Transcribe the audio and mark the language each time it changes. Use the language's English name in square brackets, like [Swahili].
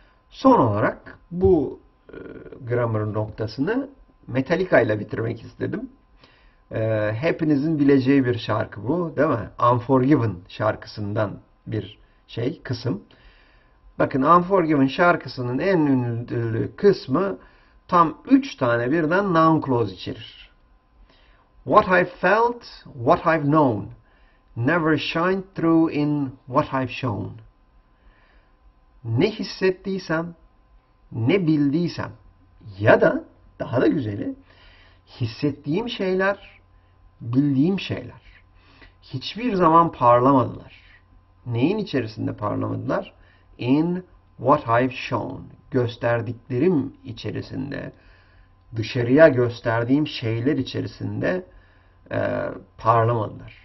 [Turkish] Son olarak bu grammar noktasını Metallica ile bitirmek istedim. Hepinizin bileceği bir şarkı bu, değil mi? Unforgiven şarkısından bir şey, kısım. Bakın Unforgiven şarkısının en ünlü kısmı tam 3 tane birden noun clause içerir. [English] What I've felt, what I've known, never shined through in what I've shown. [Turkish] Ne hissettiysem, ne bildiysem ya da daha da güzeli, hissettiğim şeyler, bildiğim şeyler hiçbir zaman parlamadılar. Neyin içerisinde parlamadılar? [English] In what I've shown, [Turkish] gösterdiklerim içerisinde, dışarıya gösterdiğim şeyler içerisinde parlamadılar.